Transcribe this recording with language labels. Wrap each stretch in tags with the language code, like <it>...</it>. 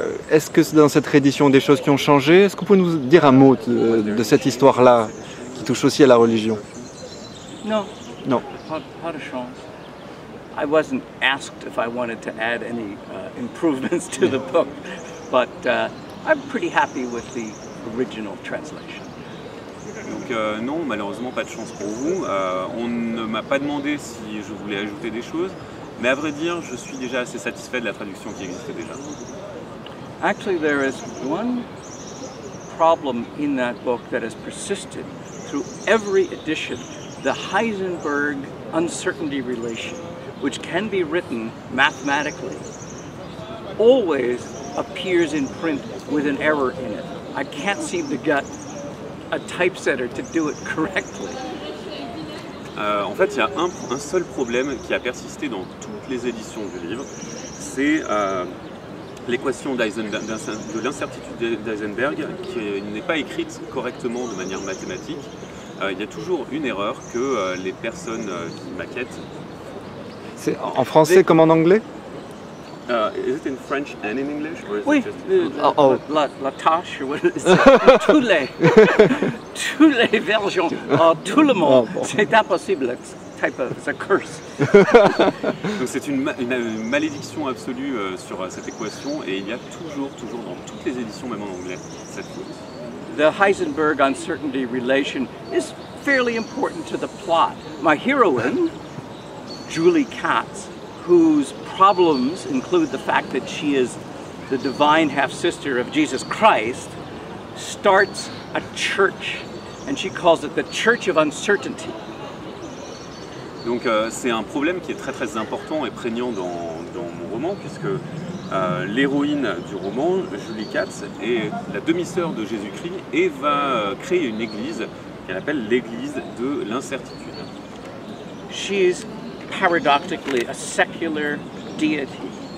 <fr>Est-ce que dans cette réédition, des choses qui ont changé? Est-ce que vous pouvez nous dire un mot de cette histoire-là, qui touche aussi à la religion? Non. Non. Pas de chance.</fr> <en>I wasn't asked if I wanted to add any improvements to the book, but I'm pretty happy with the original translation.</en> <fr>Donc non, malheureusement pas de chance pour vous. On ne m'a pas demandé si je voulais ajouter des choses, mais à vrai dire, je suis déjà assez satisfait de la traduction qui existait déjà.</fr> <en>Actually, there is one problem in that book that has persisted through every edition, the Heisenberg uncertainty relation, which can be written mathematically, always appears in print with an error in it. I can't seem to get a typesetter to do it correctly.</en> <fr>En fait, il y a un seul problème qui a persisté dans toutes les éditions du livre, c'est l'équation de l'incertitude d'Heisenberg qui n'est pas écrite correctement de manière mathématique. Il y a toujours une erreur que les personnes qui maquettent... C'est en français comme en anglais?</fr> <en>Is it in French and in English? Or is</en> <fr>oui.</fr> <en>It just...</en> <fr>Oh. La tâche,</fr> <en>what is it?</en> <fr>Tous les... tous les versions, tout le monde. Oh, bon. C'est impossible.</fr> <en>It's a curse.</en> <fr>Donc c'est une malédiction absolue sur cette équation, et il y a toujours dans toutes les éditions, même en anglais, cette cause.</fr> <en>The Heisenberg uncertainty relation is fairly important to the plot. My heroine, Julie Katz, whose problems include the fact that she is the divine half-sister of Jesus Christ, starts a church, and she calls it the Church of Uncertainty.</en> <fr>Donc c'est un problème qui est très très important et prégnant dans mon roman, puisque l'héroïne du roman, Julie Katz, est la demi-sœur de Jésus-Christ et va créer une église qu'elle appelle l'église de l'incertitude.</fr> <en>She is paradoxically a secular deity.</en>